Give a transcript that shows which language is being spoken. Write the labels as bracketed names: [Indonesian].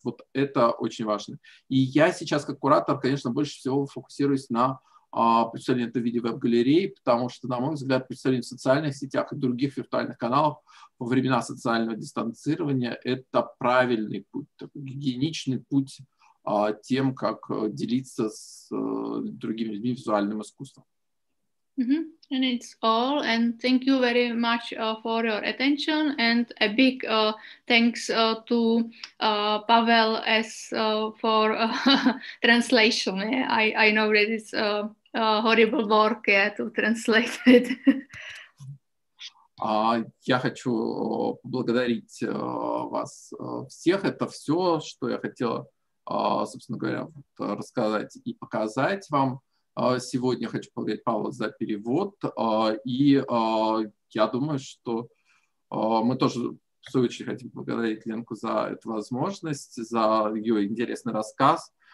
[Russian] Вот это очень важно. И я сейчас как куратор, конечно, больше всего фокусируюсь на представлении этого видео веб-галереи, потому что, на мой взгляд, представление в социальных сетях и других виртуальных каналах во времена социального дистанцирования – это правильный путь, гигиеничный путь тем, как делиться с другими людьми визуальным искусством. [English] Mm-hmm. And it's all. And thank you very much for your attention. And a big thanks to Pavel S for translation. I know that it's a horrible work to translate it. [Russian] Я хочу поблагодарить вас всех. Это все, что я хотел, собственно говоря, рассказать и показать вам. Сегодня хочу поблагодарить Павла за перевод, и я думаю, что мы тоже в свою очередь хотим поблагодарить Ленку за эту возможность, за ее интересный рассказ.